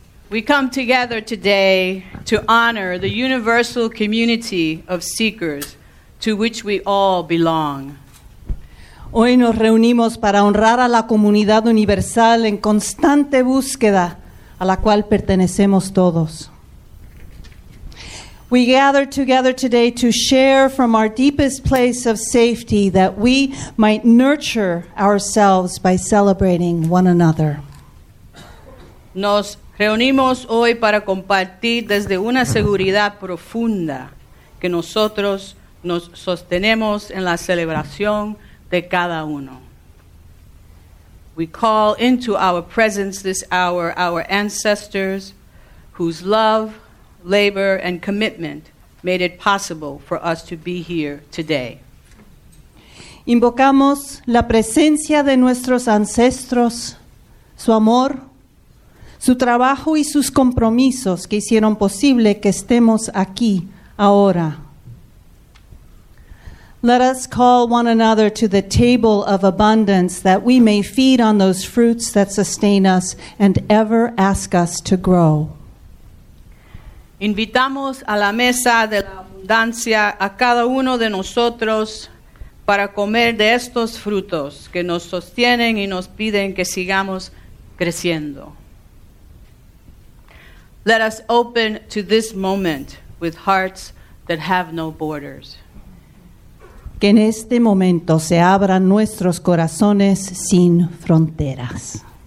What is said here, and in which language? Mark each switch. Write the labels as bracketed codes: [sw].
[en] We come together today to honor the universal community of seekers to which we all belong. [es] Hoy nos reunimos para honrar a la comunidad universal en constante búsqueda a la cual pertenecemos todos. [en] We gather together today to share from our deepest place of safety that we might nurture ourselves by celebrating one another. [es] Nos reunimos hoy para compartir desde una seguridad profunda que nosotros nos sostenemos en la celebración de cada uno. [en] We call into our presence this hour our ancestors whose love, labor, and commitment made it possible for us to be here today. [es] Invocamos la presencia de nuestros ancestros, su amor, su trabajo y sus compromisos que hicieron posible que estemos aquí ahora. [en] Let us call one another to the table of abundance that we may feed on those fruits that sustain us and ever ask us to grow. [es] Invitamos a la mesa de la abundancia a cada uno de nosotros para comer de estos frutos que nos sostienen y nos piden que sigamos creciendo. [en] Let us open to this moment with hearts that have no borders. [es] Que en este momento se abran nuestros corazones sin fronteras.